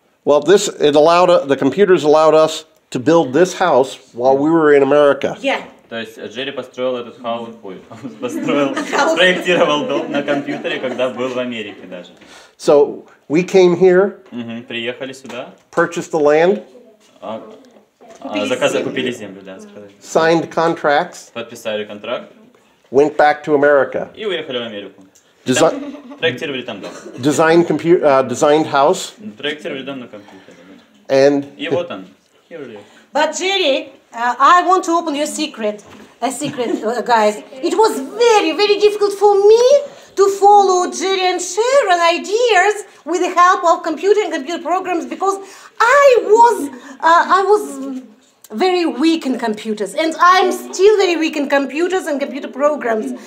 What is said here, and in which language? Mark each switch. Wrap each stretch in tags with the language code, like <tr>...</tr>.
<en>Well, this, it allowed, the computers allowed us to build this house while we were in America. Yeah.</en> <ru>То есть Джерри построил этот хаус, спроектировал дом на компьютере, когда был в Америке даже.</ru> <en>So, we came here.</en> <ru>Приехали сюда.</ru> <en>Purchased the land.</en> <ru>Купили землю, да, сказать.</ru> <en>Signed contracts.</en> <ru>Подписали контракт.</ru> <en>Went back to America.</en> <ru>И уехали в Америку. Проектировали там дом.</ru> <en>Designed computer, designed house.</en> <ru>Проектировали дом на компьютере.</ru> <en>And.</en> <ru>И вот он.</ru> <en>But Jerry, I want to open your secret. A secret, guys. It was very, very difficult for me to follow Jerry and Sharon ideas with the help of computer and computer programs because I was very weak in computers, and I'm still very weak in computers and computer programs.</en>